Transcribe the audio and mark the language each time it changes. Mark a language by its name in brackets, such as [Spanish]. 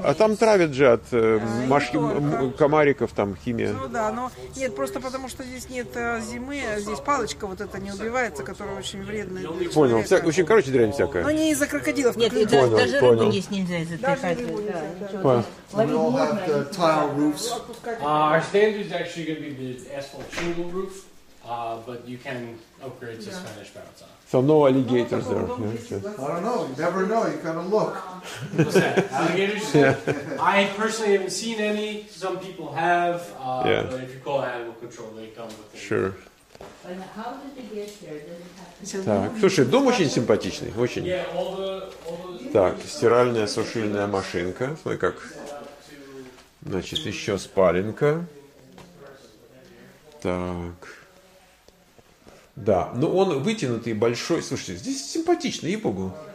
[Russian] А там травят же от комариков, там химия. Ну да, но нет, просто потому что здесь нет зимы, здесь палочка вот эта не убивается, которая очень вредная. Понял, очень, короче, дрянь всякая. Но не из-за крокодилов. Нет, понял, даже рыбу понял. Есть нельзя из-за крокодилов. [English] We all have the tile roofs. Our standard is actually going to be the asphalt shingle roof, but you can upgrade to Spanish bounce on. So no alligators there. I don't know. You never know. You gotta look. Alligators? I personally haven't seen any. Some people have. But if you call animal control, they come with it. Sure. [Russian] Так, слушай, дом очень симпатичный, очень. Так, стиральная, сушильная машинка. Смотри, как. Значит, еще спаленка. Так. Да, ну он вытянутый, большой. Слушайте, здесь симпатично, ей-богу.